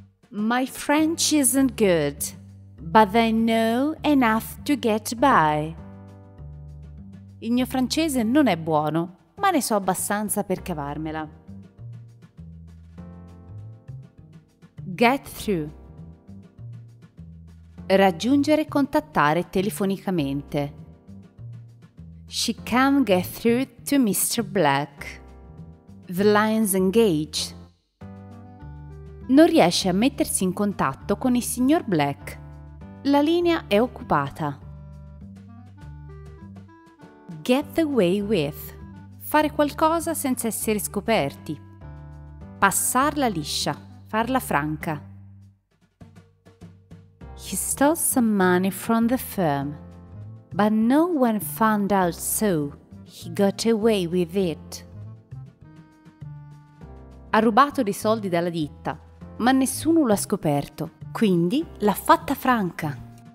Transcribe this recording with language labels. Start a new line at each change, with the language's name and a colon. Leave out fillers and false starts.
English: My French isn't good, but I know enough to get by.
Italian: Il mio francese non è buono, ma ne so abbastanza per cavarmela.
English: Get through.
Italian: Raggiungere e contattare telefonicamente.
English: She can get through to Mr. Black. The line's engaged.
Italian: Non riesce a mettersi in contatto con il signor Black. La linea è occupata.
English: Get away with.
Italian: Fare qualcosa senza essere scoperti. Passarla liscia. Farla franca.
English: He stole some money from the firm, but no one found out, so he got away with it.
Italian: Ha rubato dei soldi dalla ditta, ma nessuno lo ha scoperto, quindi l'ha fatta franca.